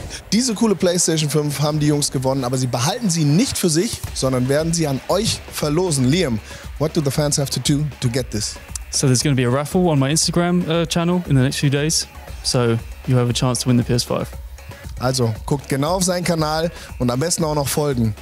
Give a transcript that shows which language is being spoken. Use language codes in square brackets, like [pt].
[de] Diese coole PlayStation 5 haben die Jungs gewonnen, aber sie behalten sie nicht für sich, sondern werden sie an euch verlosen. [en] Liam, what do the fans have to do to get this? So there's going to be a raffle on my Instagram channel in the next few days. So you have a chance to win the PS5. [de] Also, guckt genau auf seinen Kanal und am besten auch noch folgen.